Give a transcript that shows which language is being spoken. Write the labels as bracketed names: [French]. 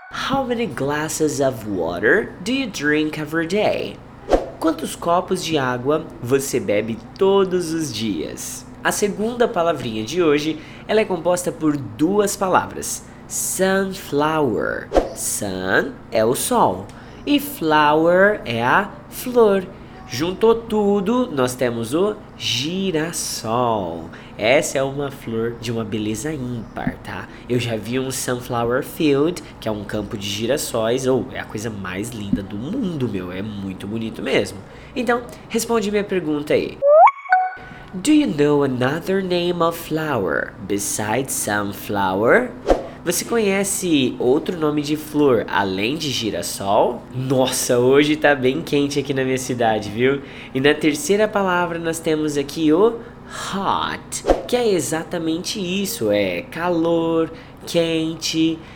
[English] How many glasses of water do you drink every day? [Portuguese] Quantos copos de água você bebe todos os dias? A segunda palavrinha de hoje, ela é composta por duas palavras. Sunflower. Sun é o sol. E flower é a flor. Juntou tudo, nós temos o girassol. Essa é uma flor de uma beleza ímpar, tá? Eu já vi um [English] sunflower field, [Portuguese] que é um campo de girassóis. Ou, é a coisa mais linda do mundo, meu. É muito bonito mesmo. Então, responde minha pergunta aí. [English] Do you know another name of flower besides sunflower? [Portuguese] Você conhece outro nome de flor além de girassol? Nossa, hoje tá bem quente aqui na minha cidade, viu? E na terceira palavra nós temos aqui o hot, que é exatamente isso, é calor, quente.